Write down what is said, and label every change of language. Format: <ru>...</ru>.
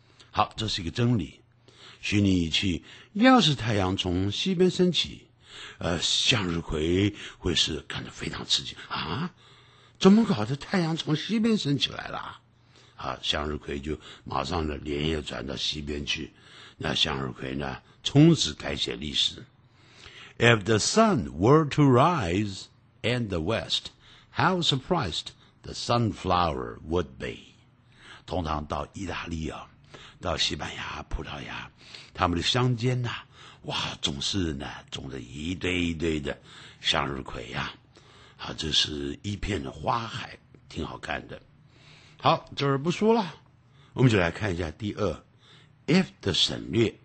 <zh>好，这是一个真理，虚拟语气，要是太阳从西边升起，向日葵会是感到非常刺激啊，怎么搞的太阳从西边升起来了啊，向日葵就马上的连夜转到西边去，那向日葵呢从此改写历史。</zh> <en>If the sun were to rise in the west, how surprised the sunflower would be.</en> <zh>通常到意大利啊，到西班牙、葡萄牙，他们的乡间呐、哇，总是呢种着一堆一堆的向日葵呀、这是一片的花海，挺好看的。好，这儿不说了，我们就来看一下第二 ，if 的省略。</zh>